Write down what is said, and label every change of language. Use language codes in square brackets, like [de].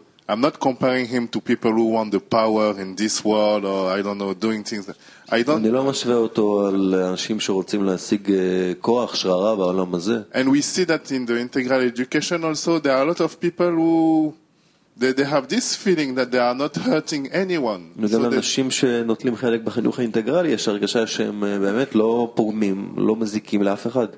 [en] I'm not comparing him to people who want the power in this world or I don't know doing things. [he] אני לא משווה אותו לאנשים שרוצים להשיג כוח שררה בעולם הזה. [en] And we see that in the integral education also there are a lot of people who they have this feeling that they are not hurting anyone. [he] וגם אנשים שנוטלים חלק בחינוך האינטגרלי יש הרגשה שהם באמת לא פוגמים, לא מזיקים לאף אחד.